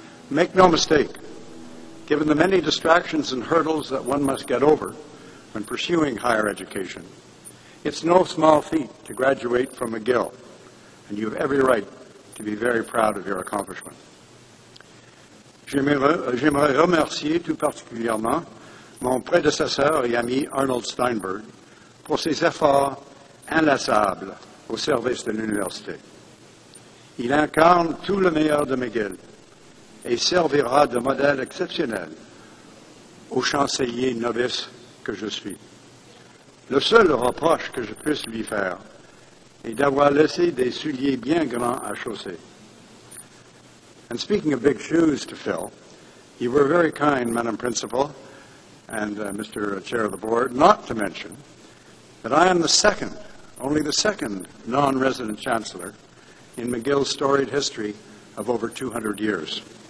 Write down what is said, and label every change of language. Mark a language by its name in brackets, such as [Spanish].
[English] Make no mistake, given the many distractions and hurdles that one must get over when pursuing higher education, it's no small feat to graduate from McGill, and you have every right to be very proud of your accomplishment. [French] J'aimerais remercier tout particulièrement mon prédécesseur et ami Arnold Steinberg pour ses efforts inlassables au service de l'université. Il incarne tout le meilleur de McGill et servira de modèle exceptionnel au chancelier novice que je suis. Le seul reproche que je puisse lui faire est d'avoir laissé des souliers bien grands à chausser. [English] And speaking of big shoes to fill, you were very kind, Madam Principal and Mr. Chair of the Board, not to mention that I am the second, only the second non-resident chancellor in McGill's storied history of over 200 years.